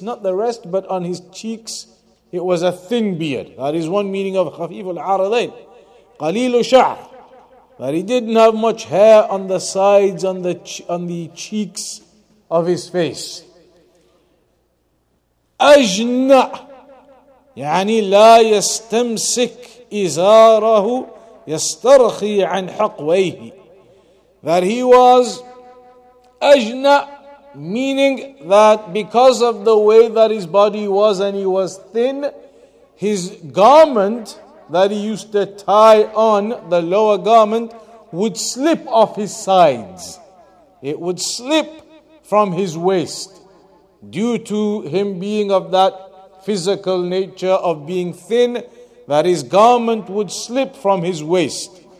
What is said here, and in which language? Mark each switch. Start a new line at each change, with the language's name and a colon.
English: Not the rest, but on his cheeks. It was a thin beard. That is one meaning of
Arabic: خفيف العرضين. قليل شعر.
English: That he didn't have much hair on the sides, on the cheeks of his face.
Arabic: أجنع. يعني لا يستمسك إزاره يسترخي عن حقويه.
English: That he was أجنع. Meaning that because of the way that his body was and he was thin, his garment that he used to tie on, the lower garment, would slip off his sides. It would slip from his waist due to him being of that physical nature of being thin, that his garment would slip from his waist.